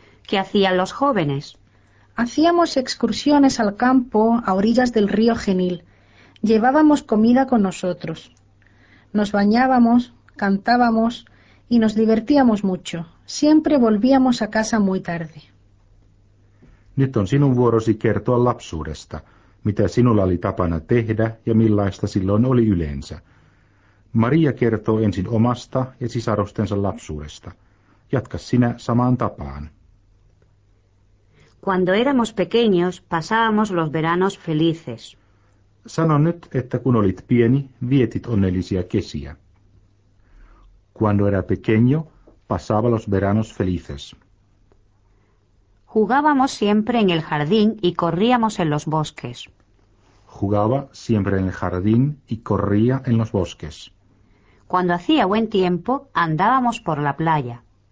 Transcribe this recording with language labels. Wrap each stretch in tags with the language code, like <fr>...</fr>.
<es>¿Qué hacían los jóvenes? Hacíamos excursiones al campo a orillas del río Genil. Llevábamos comida con nosotros. Nos bañábamos, cantábamos y nos divertíamos mucho. Siempre volvíamos a casa muy tarde.</es> <fi>Nyt on sinun vuorosi kertoa lapsuudesta, mitä sinulla oli tapana tehdä ja millaista silloin oli yleensä. Maria kertoo ensin omasta ja sisarustensa lapsuudesta. Jatka sinä samaan tapaan.</fi> <es>Cuando éramos pequeños, pasábamos los veranos felices.</es> <fi>Sano nyt, että kun olit pieni, vietit onnellisia kesiä.</fi> <es>Cuando era pequeño, pasaba los veranos felices. Jugábamos siempre en el jardín y corríamos en los bosques. Jugaba siempre en el jardín y corría en los bosques. Cuando hacía buen tiempo, andábamos por la playa.</es>